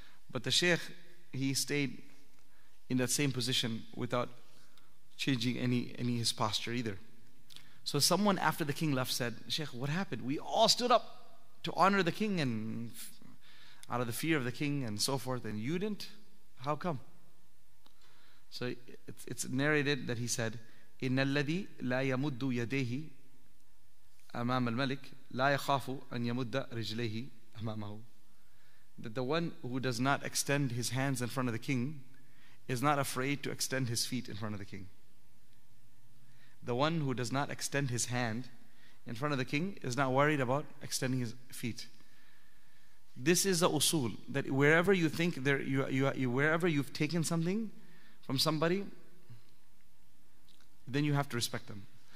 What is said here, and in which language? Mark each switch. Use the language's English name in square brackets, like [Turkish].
[English] But the sheikh, he stayed in that same position without changing any his posture either. So someone after the king left said, Sheikh, what happened? We all stood up to honor the king and out of the fear of the king and so forth, and you didn't? How come? So it's narrated that he said, [Arabic] إِنَّ الَّذِي لَا يَمُدُّ يَدَيْهِ أَمَامَ الْمَلِكِ لَا يَخَافُ أَنْ يَمُدَّ رِجْلَيْهِ أمامه. [English] That the one who does not extend his hands in front of the king is not afraid to extend his feet in front of the king. The one who does not extend his hand in front of the king is not worried about extending his feet. This is the usul, that wherever you think there, you wherever you've taken something from somebody, then you have to respect them.